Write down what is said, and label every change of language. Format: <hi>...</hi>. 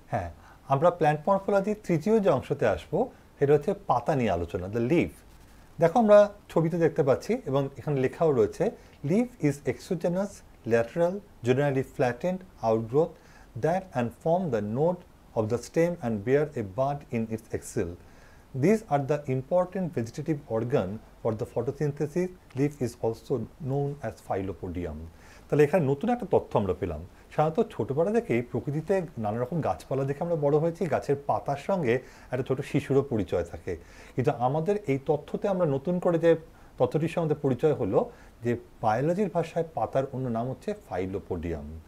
<bn>হ্যাঁ আমরা প্ল্যান্ট মরফোলজির তৃতীয় যে অংশতে আসব সেটা হচ্ছে পাতা নিয়ে আলোচনা,</bn> <en>The leaf.</en> <bn>দেখো আমরা ছবিতে দেখতে পাচ্ছি এবং এখানে লেখাও রয়েছে,</bn> <en>Leaf is exogenous lateral generally flattened outgrowth that and form the node of the stem and bear a bud in its axil. These are the important vegetative organ for the photosynthesis. Leaf is also known as phyllopodium.</en> <bn>তাহলে এখানে নতুন একটা তথ্য আমরা পেলাম। সাধারণত ছোটবেলা থেকেই প্রকৃতিতে নানা রকম গাছপালা দেখে আমরা বড় হয়েছি, গাছের পাতার সঙ্গে একটা ছোট শিশুরও পরিচয় থাকে। কিন্তু আমাদের এই তথ্যতে আমরা নতুন করে যে তথ্যটির সঙ্গে পরিচয় হলো যে বায়োলজির ভাষায় পাতার অন্য নাম হচ্ছে ফাইলোপোডিয়াম।</bn>